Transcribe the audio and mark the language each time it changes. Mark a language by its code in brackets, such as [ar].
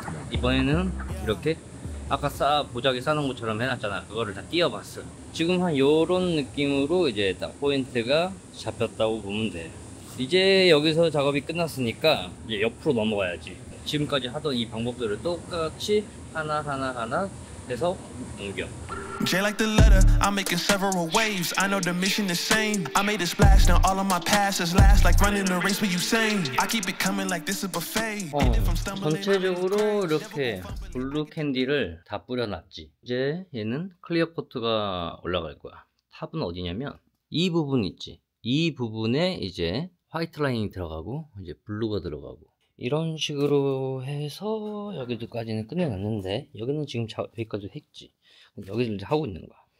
[ko] 이번에는 이렇게 아까 보자기 싸놓은 것처럼 해놨잖아. 그거를 다 띄워봤어. 지금 한 요런 느낌으로 이제 딱 포인트가 잡혔다고 보면 돼. 이제 여기서 작업이 끝났으니까 이제 옆으로 넘어가야지. 지금까지 하던 이 방법들을 똑같이 하나하나하나 해서 옮겨. [en] J like the letter, I'm making several waves. I know the mission is same. I made a splash, now all of my passes last like running a race with Usain. I keep it coming like this is buffet. [ko] 전체적으로 이렇게 블루 캔디를 다 뿌려놨지. 이제 얘는 클리어 코트가 올라갈 거야. 탑은 어디냐면 이 부분 있지. 이 부분에 이제 화이트 라인이 들어가고 이제 블루가 들어가고. 이런 식으로 해서 여기까지는 끝내놨는데, 여기는 지금 여기까지 했지. 여기를 이제 하고 있는 거야.